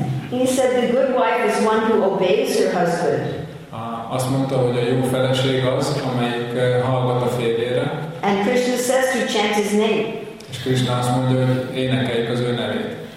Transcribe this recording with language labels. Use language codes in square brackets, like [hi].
[en] He said, the good wife is one who obeys her husband. [hu] Azt mondta, hogy a jó feleség az, amelyik hallgat a férjére. [en] And Krishna says to chant his name. [hu] És Krishna azt mondja, hogy énekeljük az ő nevét.